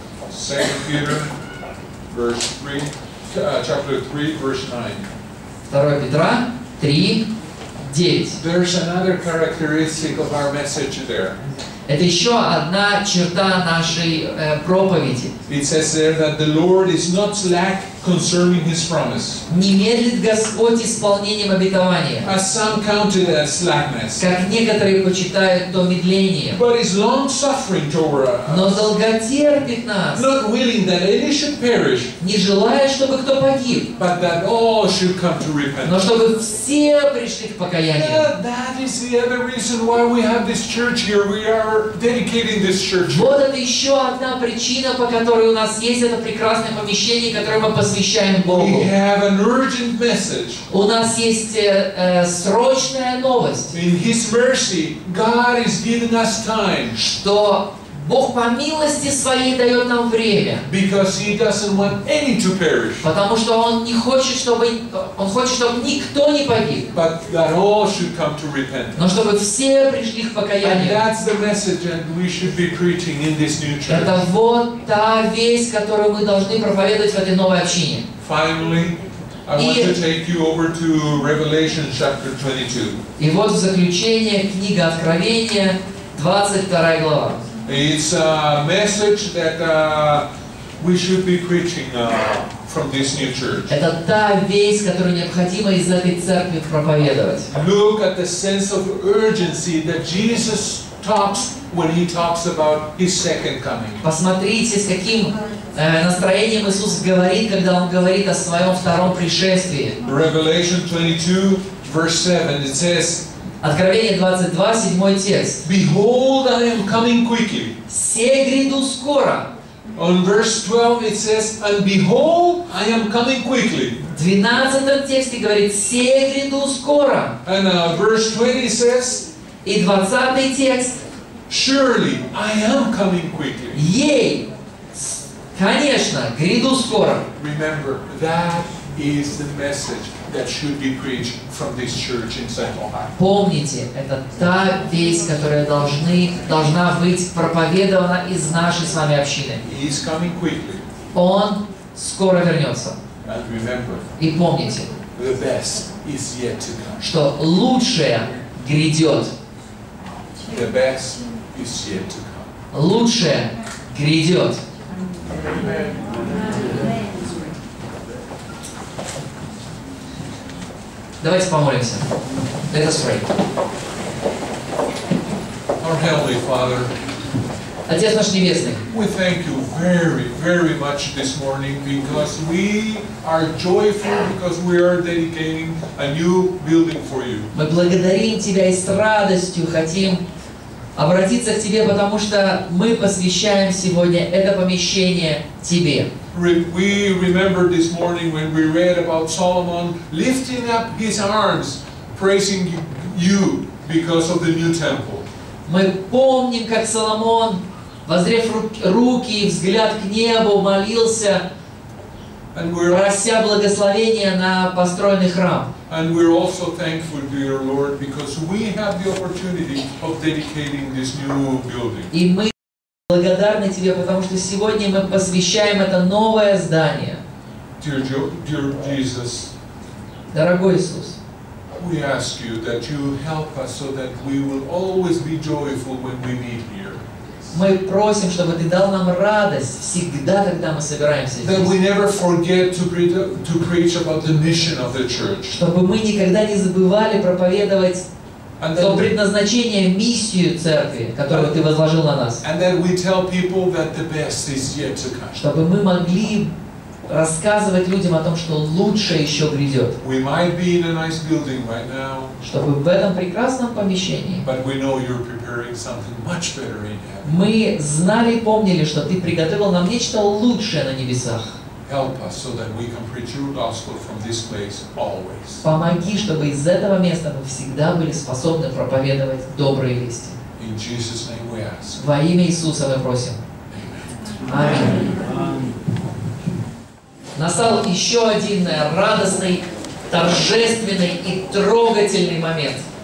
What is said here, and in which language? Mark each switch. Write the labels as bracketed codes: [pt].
[en] Second Peter, verse 3. Chapter 3, verse 9. [ru] 2 Петра 3, 9. [en] There's another characteristic of our message there. [ru] Это еще одна черта нашей проповеди. [en] It says there that the Lord is not slack concerning His promise. [ru] Не медлит Господь исполнением обетования. [en] As some count it as slackness. [ru] Как некоторые почитают то медление. [en] But is long suffering toward us. [ru] Но долготерпит нас. [en] Not willing that any should perish. [ru] Не желая, чтобы кто погиб. [en] But that all should come to repentance. [ru] Но чтобы все пришли к покаянию. [en] That is the other reason why we have this church here. We are dedicating this church. [ru] Вот это еще одна причина, по которой у нас есть это прекрасное помещение, которое мы посвящаем Богу. [en] We have an urgent message. [ru] У нас есть срочная новость. [en] In His mercy, God is giving us time. [ru] Что Бог по милости своей дает нам время. [en] Because He doesn't want any to perish. [ru] Потому что Он не хочет, Он хочет, чтобы никто не погиб. [en] But that all should come to repentance. [ru] Но чтобы все пришли к покаянию. [en] And that's the message that we should be preaching in this new church. [ru] Это вот та весть, которую мы должны проповедовать в этой новой общине. [en] Finally, I want to take you over to Revelation chapter 22. [ru] И вот в заключение книга Откровения, 22 глава. [en] It's a message that we should be preaching from this new church. [ru] Это та весть, которую необходимо из этой церкви проповедовать. [en] Look at the sense of urgency that Jesus talks when he talks about his second coming. [ru] Посмотрите, с каким настроением Иисус говорит, когда он говорит о своем втором пришествии. [en] Revelation 22, verse 7, it says. [ru] Откровение 22, 7 текст. [en] Behold, I am coming quickly. [ru] Се гряду скоро. [en] On verse 12 it says, and behold, I am coming quickly. [ru] В 12 тексте говорит, се гряду скоро. [en] And verse 20 says, [ru] и 20 текст, [en] surely, I am coming quickly. [ru] Ей, конечно, гряду скоро. [en] Remember, that is the message that should be preached from this church in Central Ohio. [ru] Помните, это та весть, которая должна быть проповедована из нашей с вами общины. [en] He is coming quickly. [ru] Он скоро вернется. [en] And remember. [ru] И помните. [en] The best is yet to come. [ru] Что лучшее грядет. [en] The best is yet to come. [ru] Лучшее грядет. [en] Amen. [ru] Давайте помолимся. [en] Let us pray. Our Heavenly Father, [ru] Отец наш Небесный, [en] we thank you very very, very much this morning because we are joyful because we are dedicating a new building for you. [ru] Мы благодарим тебя и с радостью хотим обратиться к тебе, потому что мы посвящаем сегодня это помещение тебе. [en] We remember this morning when we read about Solomon lifting up his arms, praising you because of the new temple. [ru] Мы помним, как Соломон, воззрев руки и взгляд к небу, молился, прося благословения на построенный храм. [en] And we're also thankful to your Lord because we have the opportunity of dedicating this new building. [ru] И мы благодарны тебе, потому что сегодня мы посвящаем это новое здание. [en] Dear Jesus. [ru] Дорогой Иисус. [en] We ask you that you help us so that we will always be joyful when we meet here. [ru] Мы просим, чтобы ты дал нам радость всегда, когда мы собираемся здесь. [en] That we never forget to preach about the mission of the church. [ru] Чтобы мы никогда не забывали проповедовать то предназначение, миссию церкви, которую ты возложил на нас. [en] And that we tell people that the best is yet to come. [ru] Чтобы мы могли рассказывать людям о том, что лучшее еще грядет. [en] We might be in a nice building right now. [ru] Чтобы в этом прекрасном помещении. [en] But we know you're preparing something much better in heaven. [ru] Мы знали и помнили, что ты приготовил нам нечто лучшее на небесах. [en] Help us so that we can preach your gospel from this place always. [ru] Помоги, чтобы из этого места мы всегда были способны проповедовать добрые вести. [en] In Jesus' name we ask. [ru] Во имя Иисуса мы просим. [en] Amen. [ru] Настал еще один радостный, торжественный и трогательный момент.